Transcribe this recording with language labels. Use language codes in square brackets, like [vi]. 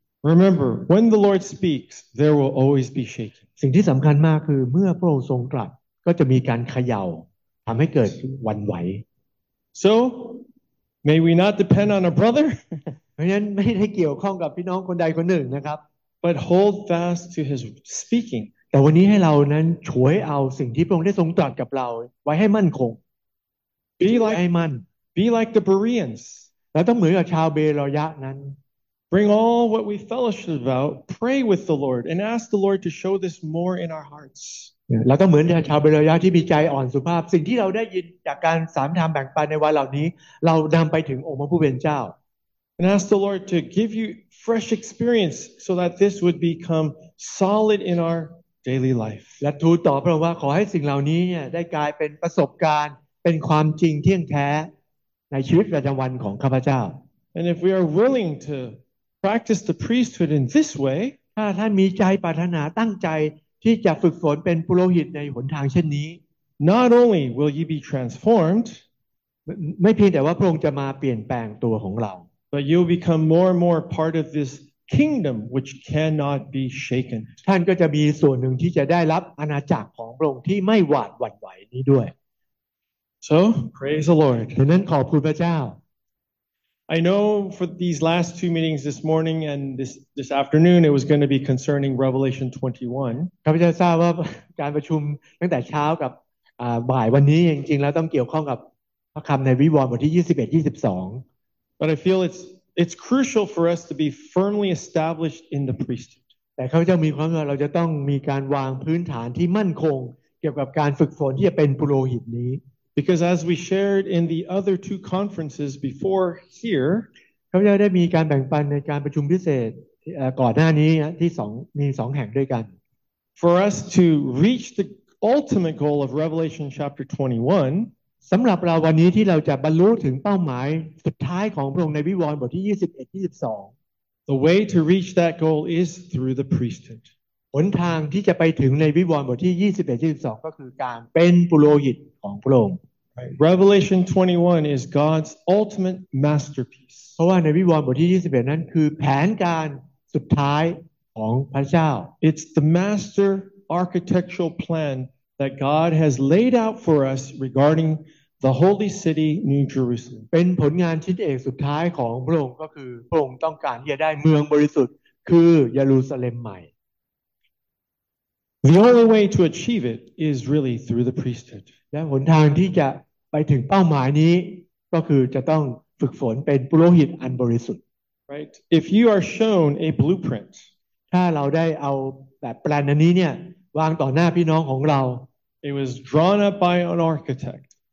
[en] Remember when the Lord speaks there will always be shaking [th] สิ่งที่สำคัญมากคือเมื่อพระองค์ทรงตรัสก็จะมีการเขย่าทำให้เกิดวันไหว [en] So may we not depend on a brother [th] เพราะฉะนั้นไม่ได้เกี่ยวข้องกับพี่น้องคนใดคนหนึ่งนะครับ [en] But hold fast to his speaking [th] แต่วันนี้ให้เรานั้นฉวยเอาสิ่งที่พระองค์ได้ทรงตรัสกับเราไว้ให้มั่นคง [en] Be like [th] ให้มั่น [en] Be like the Bereans. [th] แล้วต้องเหมือนกับชาวเบโรยะนั้น [en] Bring all what we fellowship about, pray with the Lord, and ask the Lord to show this more in our hearts. [th] แล้วต้องเหมือนกับชาวเบโรยะที่มีใจอ่อนสุภาพสิ่งที่เราได้ยินจากการสามธรรมแบ่งปันในวันเหล่านี้เรานำไปถึงองค์ผู้เป็นเจ้า [en] And ask the Lord to give you fresh experience so that this would become solid in our daily life. [th] และทูลต่อพระองค์ว่าขอให้สิ่งเหล่านี้เนี่ยได้กลายเป็นประสบการณ์เป็นความจริงเที่ยงแท้ในชีวิตประจำวันของข้าพเจ้า [en] And if we are willing to practice the priesthood in this way [th] ถ้าท่านมีใจปรารถนาตั้งใจที่จะฝึกฝนเป็นปุโรหิตในหนทางเช่นนี้ [en] Not only will you be transformed [th] ไม่เพียงแต่ว่าพระองค์จะมาเปลี่ยนแปลงตัวของเรา [en] But you'll become more and more part of this kingdom which cannot be shaken [th] ท่านก็จะมีส่วนหนึ่งที่จะได้รับอาณาจักรของพระองค์ที่ไม่หวาดหวั่นไหวนี้ด้วย [en] So, praise the Lord. [th] ดังนั้นขอบคุณพระเจ้า [en] I know for these last two meetings this morning and this afternoon it was going to be concerning Revelation 21. [th] ข้าพเจ้าทราบว่าการประชุมตั้งแต่เช้ากับบ่ายวันนี้จริงๆแล้วต้องเกี่ยวข้องกับพระคำในวิวรณ์บทที่21 22 [en] But I feel it's crucial for us to be firmly established in the priesthood. [th] แต่ข้าพเจ้ามีความว่าเราจะต้องมีการวางพื้นฐานที่มั่นคงเกี่ยวกับการฝึกฝนที่จะเป็นปุโรหิตนี้ [en] Because as we shared in the other two conferences before here, [th] ข้าพเจ้าได้มีการแบ่งปันในการประชุมพิเศษก่อนหน้านี้ที่2มี2แห่งด้วยกัน [en] For us to reach the ultimate goal of Revelation chapter 21, [th] สำหรับเราวันนี้ที่เราจะบรรลุถึงเป้าหมายสุดท้ายของพระองค์ในวิวรณ์บทที่21 22 [en] The way to reach that goal is through the priesthood. [th] หนทางที่จะไปถึงในวิวรณ์บทที่21 22ก็คือการเป็นปุโรหิต [en] Right. Revelation 21 is God's ultimate masterpiece. [th] เพราะว่าในวิวรณ์บทที่21นั้นคือแผนการสุดท้ายของพระเจ้า [en] It's the master architectural plan that God has laid out for us regarding the holy city, New Jerusalem. [th] เป็นผลงานชิ้นเอกสุดท้ายของพระองค์ก็คือพระองค์ต้องการที่จะได้เมืองบริสุทธิ์คือเยรูซาเล็มใหม่ [en] The only way to achieve it is really through the priesthood. [th] และหนทางที่จะไปถึงเป้าหมายนี้ก็คือจะต้องฝึกฝนเป็นปุโรหิตอันบริสุทธิ์ [en] Right If you are shown a blueprint [th] ถ้าเราได้เอาแบบแปลนอันนี้เนี่ยวางต่อหน้าพี่น้องของเรา [en] It was drawn up by an architect